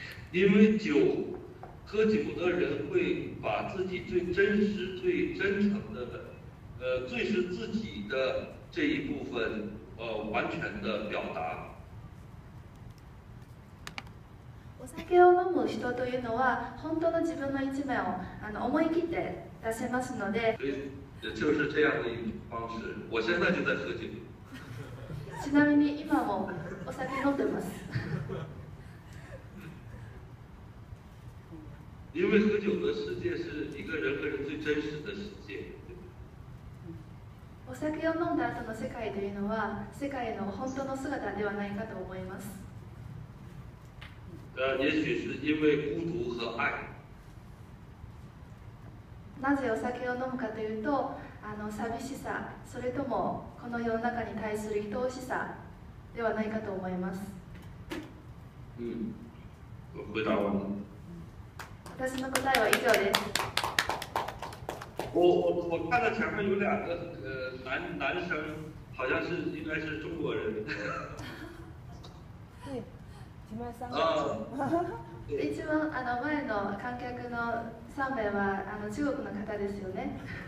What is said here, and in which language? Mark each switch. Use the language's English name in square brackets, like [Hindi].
[Chinese] 因为酒，喝酒的人会把自己最真实、最真诚的，最是自己的这一部分，完全的表达。 [Japanese] お酒を飲む人というのは本当の自分の一面を思い切って出せますので。 [Chinese] 所以，就是这样的一种方式。我现在就在喝酒。 [Japanese] ちなみに今もお酒飲んでます。 [Chinese] 因为喝酒的世界是一个人和人最真实的世界。 [Japanese] お酒を飲んだ後の世界というのは世界の本当の姿ではないかと思います。 [Chinese] 也许是因为孤独和爱。 [Japanese] なぜお酒を飲むかというと、寂しさ、それともこの世の中に対する愛おしさではないかと思います。 [Chinese] 我回答完了。 [Japanese] 私の答えは以上です。 [Chinese] 我看到前面有两个男生，好像是应该是中国人。 [Japanese] 木村さんが一番前の観客の3名は中国の方ですよね。